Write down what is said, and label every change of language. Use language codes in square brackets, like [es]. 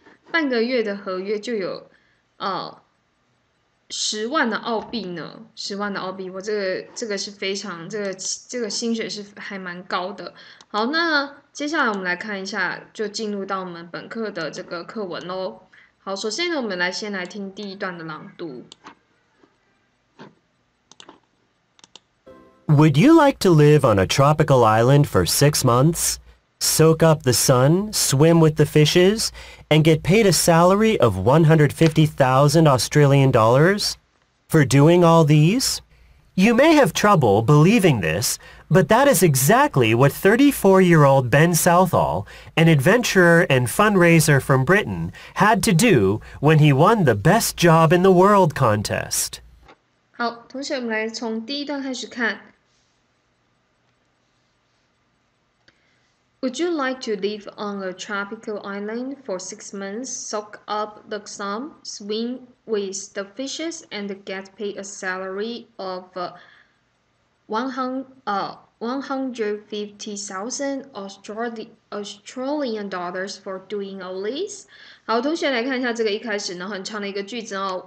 [zh] 半个月的合约就有，10万的澳币呢，10万的澳币，我这个是非常，这个薪水是还蛮高的。好，那接下来我们来看一下，就进入到我们本课的这个课文喽。好，首先呢，我们先来听第一段的朗读。 [en] Would you like to live on a tropical island for 6 months, soak up the sun, swim with the fishes, and get paid a salary of 150,000 Australian dollars for doing all these? You may have trouble believing this, but that is exactly what 34-year-old Ben Southall, an adventurer and fundraiser from Britain, had to do when he won the Best Job in the World contest. [zh] 好，同学，我们来从第一段开始看。 [en] Would you like to live on a tropical island for 6 months, soak up the sun, swim with the fishes, and get paid a salary of 150,000 Australian dollars for doing all this? [zh] 好，同学来看一下这个一开始呢很长的一个句子哦。